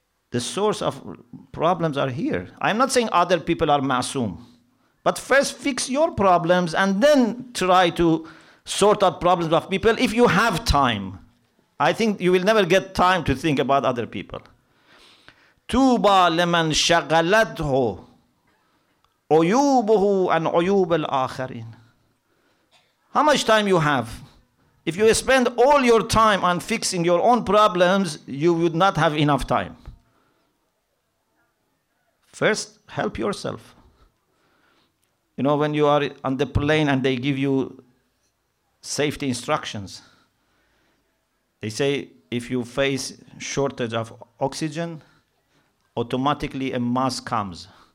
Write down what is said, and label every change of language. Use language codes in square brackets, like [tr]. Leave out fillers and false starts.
[en] The source of problems are here. I'm not saying other people are masoom, but first fix your problems and then try to sort out problems of people if you have time. I think you will never get time to think about other people. [ar] طوبى لمن شغلته عيوبه عن عيوب الآخرين. [en] How much time you have? If you spend all your time on fixing your own problems, you would not have enough time. First, help yourself. You know, when you are on the plane and they give you safety instructions, they say if you face shortage of oxygen, automatically a mask comes.